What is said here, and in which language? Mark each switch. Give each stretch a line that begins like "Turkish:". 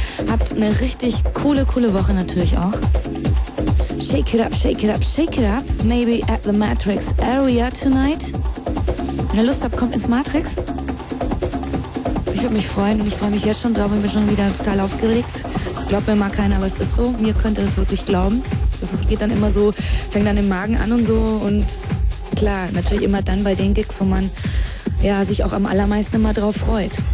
German: Habt eine richtig coole, coole Woche natürlich auch.
English: Shake it up, shake it up, shake it up. Maybe at the Matrix area tonight.
German: Wenn ihr Lust habt, kommt ins Matrix. Ich würde mich freuen und ich freue mich jetzt schon drauf. Ich bin schon wieder total aufgeregt. Das glaubt mir mal keiner, aber es ist so. Mir könnte es wirklich glauben. Es geht dann immer so, fängt dann im Magen an und so. Und klar, natürlich immer dann bei den Gigs, wo man ja, sich auch am allermeisten immer drauf freut.